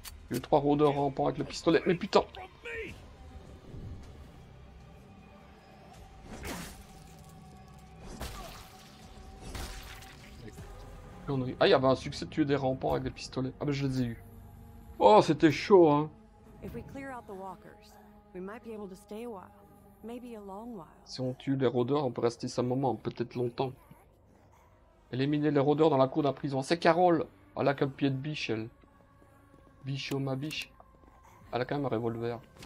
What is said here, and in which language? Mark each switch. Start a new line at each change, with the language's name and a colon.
French: Il y a 3 rôdeurs en rampant avec le pistolet. Mais putain! Ah, il y avait un succès de tuer des rampants avec des pistolets. Ah, ben je les ai eu. Oh, c'était chaud, hein!
English: If we clear out the walkers, we might be able to stay a while. Maybe a long while.
French: Si on tue les rôdeurs, on peut rester ça un moment, peut-être longtemps. Éliminer les rôdeurs dans la cour d'un prison. C'est Carole. Elle a qu'un pied de biche, elle. Biche ou ma biche. Elle a quand même un revolver.